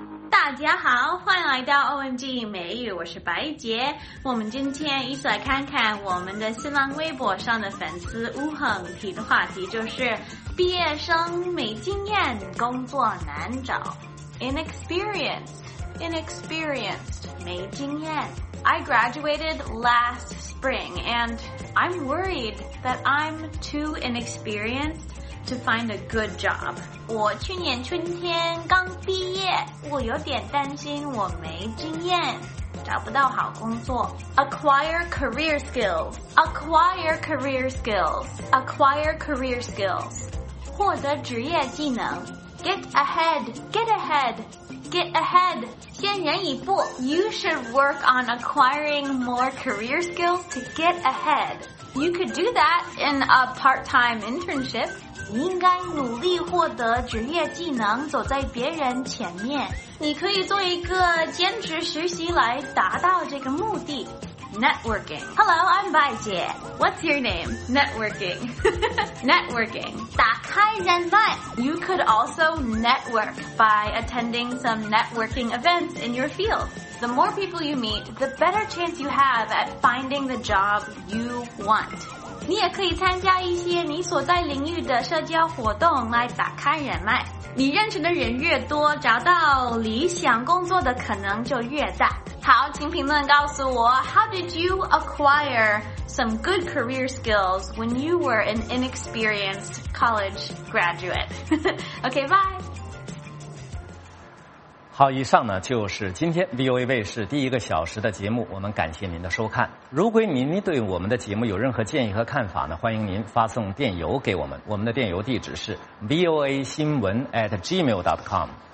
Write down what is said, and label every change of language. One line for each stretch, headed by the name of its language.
Chinese: 大家好，欢迎来到 OMG 美语，我是白杰。我们今天一起来看看我们的新浪微博上的粉丝吴恒提的话题，就是毕业生没经验，工作难找。 Inexperienced 没经验。
English: I graduated last spring and I'm worried that I'm too inexperiencedTo find a good job.
Chinese: 我去年春天刚毕业，我有点担心我没经验，找不到好工作。
English: Acquire career skills. Acquire career skills. Acquire career skills.
Chinese: 获得职业技能。
English: Get ahead. Get ahead. Get ahead.
Chinese: 先人一步。
English: You should work on acquiring more career skills to get ahead. You could do that in a part-time internship.
Chinese: 你应该努力获得职业技能，走在别人前面。你可以做一个兼职实习来达到这个目的。
English: Networking. Hello, I'm 白姐。What's your name? Networking. Networking.
Chinese: 打开人脉。
English: You could also network by attending some networking events in your field. The more people you meet, the better chance you have at finding the job you want.
Chinese: 你也可以参加一些你所在领域的社交活动来打开人脉。你认识的人越多，找到理想工作的可能就越大。好，请评论告诉我
English: How did you acquire some good career skills when you were an inexperienced college graduate. Okay, bye.
Chinese: 好，以上呢就是今天 VOA 卫视第一个小时的节目，我们感谢您的收看。如果您对我们的节目有任何建议和看法呢，欢迎您发送电邮给我们，我们的电邮地址是 voa 新闻@gmail.com。